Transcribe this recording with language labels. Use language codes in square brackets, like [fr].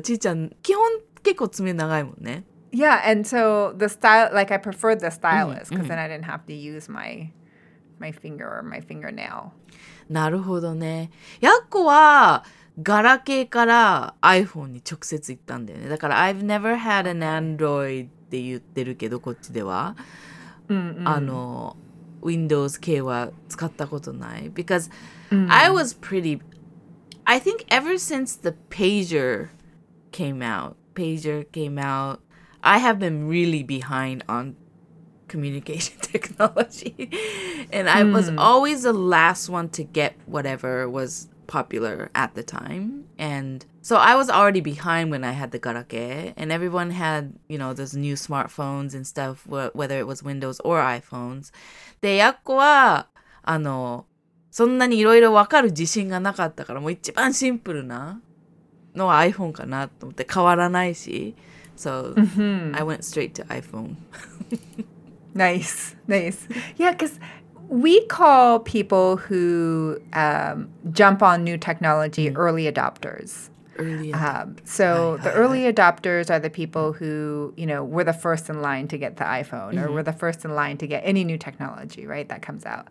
[ja] ちーちゃん、基本結構爪長いもんね。 [en] Yeah, and so the style, like I preferred the stylus, because then I didn't have to use my finger or my fingernail. [ja] なるほどね。ヤッコはガラケーから iPhone に直接行ったんだよね。だから [en] I've never had an Android [ja] って言ってるけど、こっちでは。あの、Windows 系は使ったことない。 [en] Because I was pretty, I think ever since the pager came out,I have been really behind on communication technology. And I was always the last one to get whatever was popular at the time. And so I was already behind when I had the garake. And everyone had, you know, those new smartphones and stuff, whether it was Windows or iPhones. [ja] で、ヤッコは、あの、そんなにいろいろわかる自信がなかったから、もう一番シンプルなのは iPhone かなと思って、変わらないし。 [en] So I went straight to iPhone. nice. Yeah, because we call people who jump on new technology early adopters. Early adopters are the people who, you know, were the first in line to get the iPhone or were the first in line to get any new technology, right, that comes out.